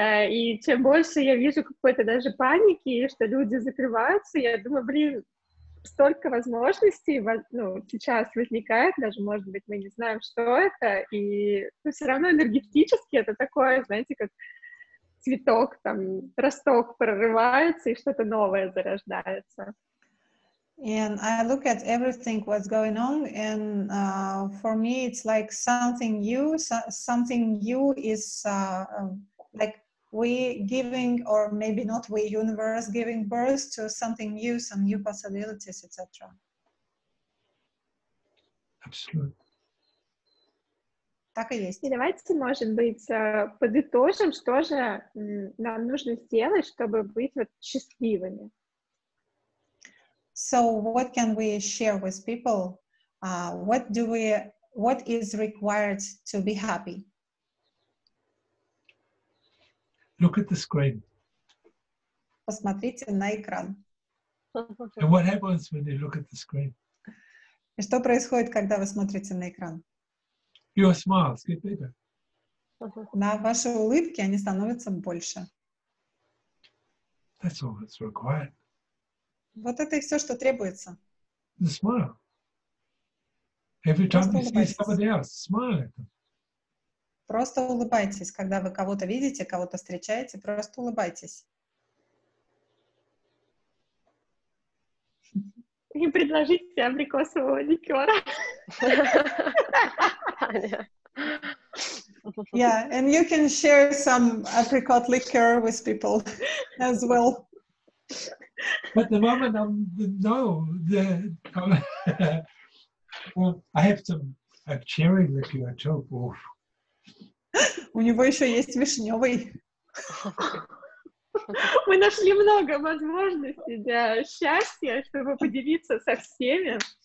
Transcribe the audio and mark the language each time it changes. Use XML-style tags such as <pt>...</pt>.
<ru>И чем больше я вижу какой-то даже паники, что люди закрываются, я думаю, блин, столько возможностей, ну, сейчас возникает, даже, может быть, мы не знаем, что это, и ну, все равно энергетически это такое, знаете, как цветок, там, росток прорывается, и что-то новое зарождается.</ru> <en>And I look at everything, what's going on, and for me it's like something new is like we giving, or maybe not we, universe giving birth to something new, some new possibilities, etc. Absolutely.</en> <ru>Так и есть. И давайте, может быть, подытожим, что же нам нужно сделать, чтобы быть вот счастливыми.</ru> <en>So what can we share with people? What is required to be happy? Look at the screen.</en> <ru>Посмотрите на экран.</ru> <en>And what happens when you look at the screen?</en> <ru>И что происходит, когда вы смотрите на экран?</ru> <en>Your smiles get bigger.</en> <ru>На ваши улыбки они становятся больше.</ru> <en>That's all that's required.</en> <ru>Вот это и все, что требуется.</ru> <en>The smile. Every time you see somebody else, smile at them.</en> <ru>Просто улыбайтесь, когда вы кого-то видите, кого-то встречаете, просто улыбайтесь. И предложите абрикосового ликера.</ru> <en>Yeah, and you can share some apricot liquor with people as well. But the moment I'm no, the well, I have some a cherry liquor too.</en> <ru>У него еще есть вишневый. Мы нашли много возможностей для счастья, чтобы поделиться со всеми.</ru>